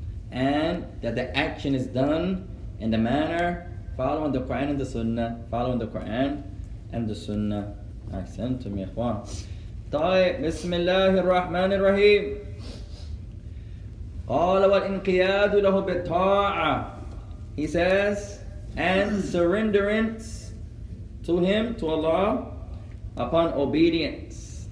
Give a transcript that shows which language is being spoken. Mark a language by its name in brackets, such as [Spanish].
[English] And that the action is done in the manner, following the Quran and the Sunnah, following the Quran and the Sunnah. Accent to me, ikhwan. [Arabic] طيب, بسم الله الرحمن الرحيم. قال والانقياد له بالطاعة. [English] He says, and surrenderance to him, to Allah, upon obedience.